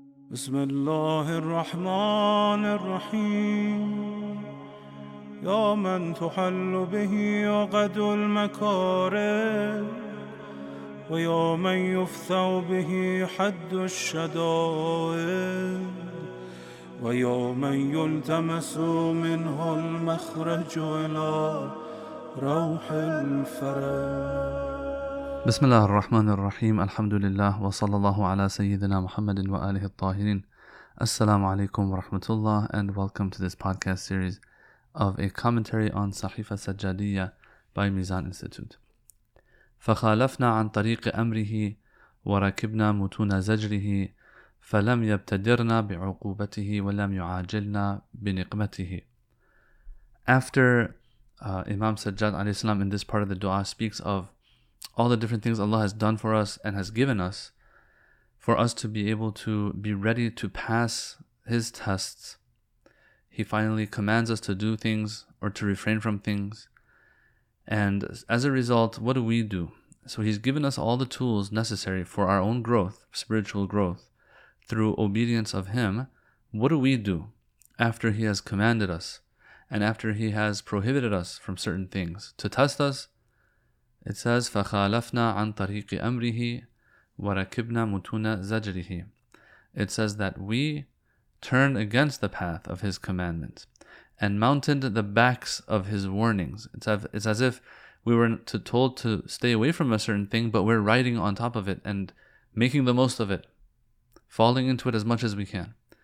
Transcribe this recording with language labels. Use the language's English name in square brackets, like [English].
[Arabic] بسم الله الرحمن الرحيم يا من تحل به عقد المكاره ويا من يفثى به حد الشدائد ويا من يلتمس منه المخرج إلى روح الفرج. بسم الله الرحمن الرحيم. الحمد لله وصلى الله على سيدنا محمد وآله الطاهرين. السلام عليكم ورحمة الله, [English] and welcome to this podcast series of a commentary on صحيفة سجادية by Mizan Institute. [Arabic] فخالفنا عن طريق أمره وركبنا متون زجره فلم يبتدرنا بعقوبته ولم يعاجلنا بنقمته. [English] After Imam Sajjad [Arabic] عليه السلام, [English] in this part of the dua, speaks of all the different things Allah has done for us and has given us for us to be able to be ready to pass His tests, He finally commands us to do things or to refrain from things. And as a result, what do? So He's given us all the tools necessary for our own growth, spiritual growth, through obedience of Him. What do after He has commanded us and after He has prohibited us from certain things to test us? It says, [Arabic] فَخَالَفْنَا عَنْ طَرِيقِ أَمْرِهِ وَرَكِبْنَا مُتُونَ زَجْرِهِ. [English] It says that we turned against the path of His commandments and mounted the backs of His warnings. It's as if we were told to stay away from a certain thing, but we're riding on top of it and making the most of it, falling into it as much as we can.